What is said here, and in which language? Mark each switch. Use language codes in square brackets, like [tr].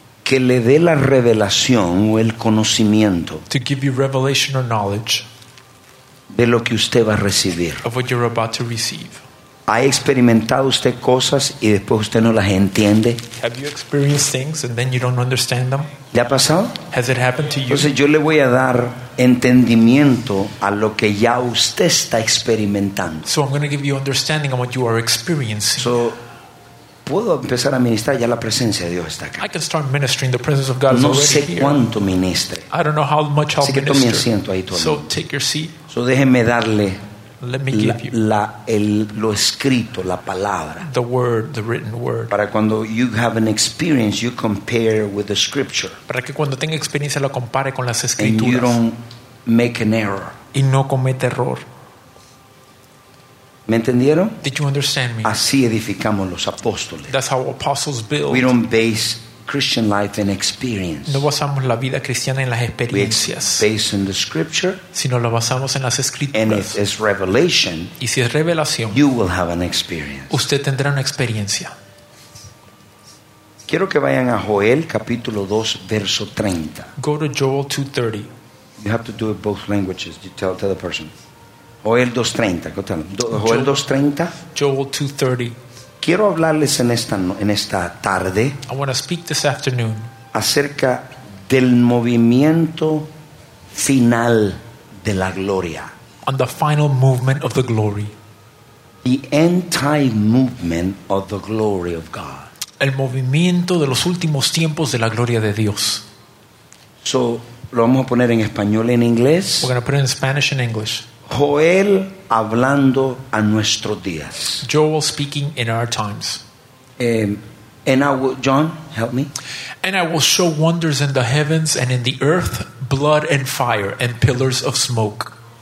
[es] Que le dé la revelación o el conocimiento. [en] To give you revelation or knowledge. [es] De lo que usted va a recibir. [en] Of what you're about to receive. [es] ¿Ha experimentado usted cosas y después usted no las entiende? [en] Have you experienced things and then you don't understand them? [es] ¿Le ha pasado? [en] Has it happened to you? [es] Entonces yo le voy a dar entendimiento a lo que ya usted está experimentando. [en] So I'm going to give you understanding on what you are experiencing. [es] So, puedo empezar a ministrar, ya la presencia de Dios está acá. [en] I can start ministering, the presence of God is [es] no [en] already [es] sé [en] here. [es] Cuánto ministre. [en] I don't know how much I'll [es] Así que tome asiento ahí todo. [en] So take your seat. [es] So déjeme darle [en] Let me give you [es] lo escrito, la palabra. [en] The word, the written word. [es] Para cuando [en] you have an experience, you compare with the scripture. [es] Para que cuando tenga experiencia lo compare con las escrituras. [en] And you don't make an error. [es] Y no comete error. ¿Me entendieron? [en] Did you understand me? [es] Así edificamos los apóstoles. [en] That's how apostles build. We don't base Christian life in experience. [es] No basamos la vida cristiana en las experiencias. [en] We base in the scripture. [es] Sino lo basamos en las escrituras. [en] And if it's revelation, [es] y si es revelación, [en] you will have an experience. [es] Usted tendrá una experiencia. Quiero que vayan a Joel capítulo 2 verso 30. [en] Go to Joel 2:30. You have to do it both languages. You tell the person. Joel 2:30. Go tell them. Joel 2:30. Joel 2:30. [es] Quiero hablarles en esta tarde [en] I want to speak this afternoon [es] acerca del movimiento final de la gloria. [en] On the final movement of the glory. The end time movement of the glory of God. [es] El movimiento de los últimos tiempos de la gloria de Dios. So, lo vamos a poner en español y en inglés. [en] We're going to put it in Spanish and English. [es] Joel hablando a nuestros días. [en] Joel speaking in our times. And I will, John, help me. And I will show wonders in the heavens and in the earth, blood and fire and pillars of smoke.